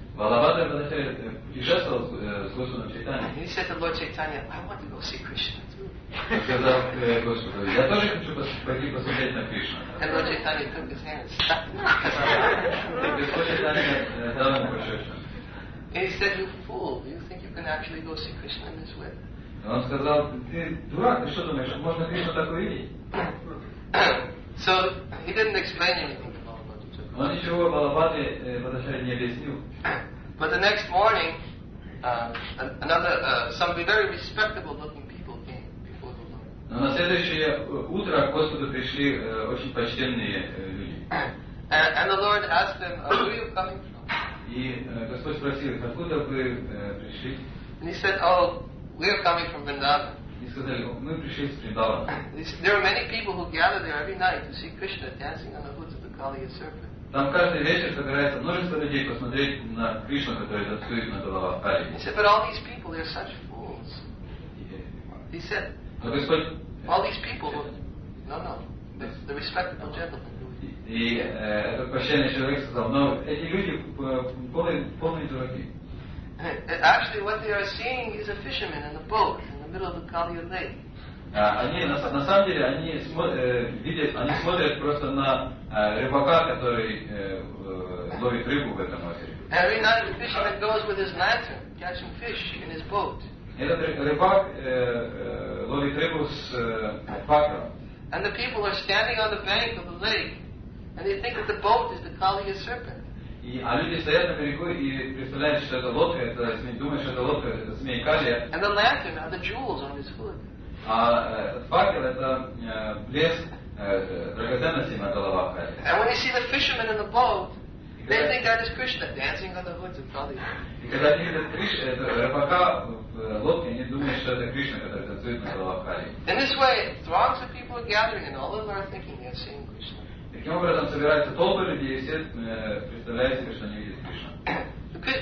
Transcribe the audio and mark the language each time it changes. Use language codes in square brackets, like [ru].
[ru] Балабхадра Бхаттачарья путешествовал с Господом Чайтаньей. [en] He said to Lord Chaitanya, I want to go see Krishna too. [ru] Сказал Господу, я тоже хочу пойти посмотреть на Кришну. [en] And Lord Chaitanya took his hands. [ru] Господь Чайтанья дал ему пощечину. [en] He said, you fool, do you think you can actually go see Krishna in this way? [ru] Он сказал, ты дурак, ты что думаешь, можно Кришну так увидеть? [en] So, he didn't explain anything to Balabhadra. [ru] Он ничего Балабхадре Бхаттачарье не объяснил. [en] But the next morning, some very respectable looking people came before the Lord. [ru] Но на следующее утро к Господу пришли очень почтенные люди. [en] And the Lord asked them, where are you coming from? [ru] И Господь спросил, откуда вы пришли? [en] And he said, oh, we are coming from Vrindavan. There are many people who gather there every night to see Krishna dancing on the hoods of the Kaliya serpent. [ru] Там каждый вечер собирается множество людей посмотреть на Кришну, который танцует на головах Кали. [en] He said, but all these people, they're such fools. He said, all these people, the respectable gentlemen. [ru] И этот прощальный человек сказал, но эти люди полные дураки. [en] Actually, what they are seeing is a fisherman in a boat in the middle of the Kaliya lake. [ru] Они на самом деле они смотрят просто на рыбака, который ловит рыбу в этом озере. [en] Every night the fisherman goes with his lantern catching fish in his boat. [ru] Этот рыбак ловит рыбу с факелом. [en] And the people are standing on the bank of the lake, and they think that the boat is the Kaliya serpent. [ru] И а люди стоят на берегу и представляют, что это лодка, это змей, думают, что это лодка, это змей Калия. [en] And the lantern are the jewels on his hood. [ru] А факел это блеск драгоценности на головах Кали. [en] And when you see the fishermen in the boat, they think that is Krishna dancing on the hoods of Kali. [ru] И когда видят рыбака в лодке, они думают, что это Кришна, который танцует на головах Кали. [en] In this way, throngs of people are gathering, and all of them are thinking they are seeing Krishna. [ru] Таким образом собираются толпы людей, и все представляют себе, что они видят Кришну.